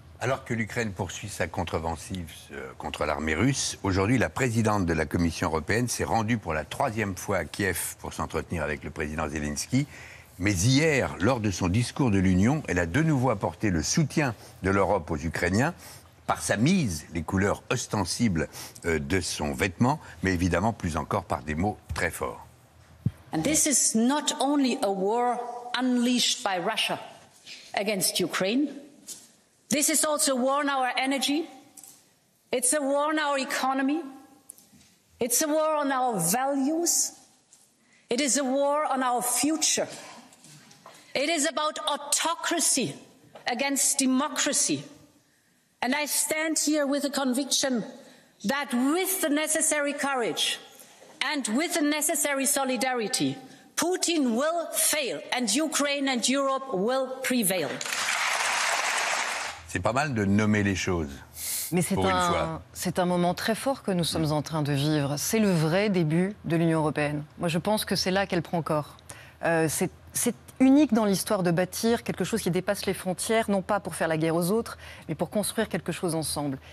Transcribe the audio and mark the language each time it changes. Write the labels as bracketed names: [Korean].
[French] Alors que l'Ukraine poursuit sa contre-offensive contre l'armée russe, aujourd'hui la présidente de la Commission européenne s'est rendue pour la troisième fois à Kiev pour s'entretenir avec le président Zelensky. Mais hier, lors de son discours de l'Union, elle a de nouveau apporté le soutien de l'Europe aux Ukrainiens par sa mise, les couleurs ostensibles de son vêtement, mais évidemment plus encore par des mots très forts. [English] And this is not only a war unleashed by Russia against Ukraine. This is also a war on our energy. It's a war on our economy. It's a war on our values. It is a war on our future. It is about autocracy against democracy. And I stand here with a conviction that with the necessary courage and with the necessary solidarity, Putin will fail and Ukraine and Europe will prevail. [French] C'est pas mal de nommer les choses. Mais c'est un moment très fort que nous sommes en train de vivre. C'est le vrai début de l'Union européenne. Moi, je pense que c'est là qu'elle prend corps. C'est unique dans l'histoire de bâtir quelque chose qui dépasse les frontières, non pas pour faire la guerre aux autres, mais pour construire quelque chose ensemble.